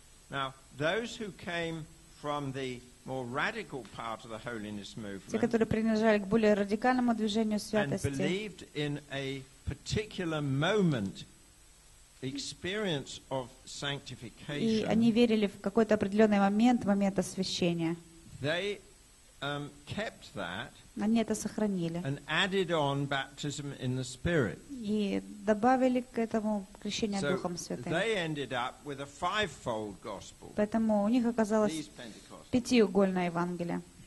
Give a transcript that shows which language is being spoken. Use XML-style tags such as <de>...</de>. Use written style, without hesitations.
<en>Now, those who came from the more radical part of the holiness movement,</en> <ru>те, которые принадлежали к более радикальному движению святости,</ru> <en>and believed in a particular moment experience of sanctification,</en> <ru>и они верили в какой-то определенный момент, момент освящения,</ru> <en>they kept that,</en> <ru>они это сохранили,</ru> <en>and added on baptism in the Spirit,</en> <ru>и добавили к этому крещение Духом Святым.</ru> <en>So they ended up with a fivefold gospel.</en> <ru>Поэтому у них оказалось пятиугольное Евангелие.</ru>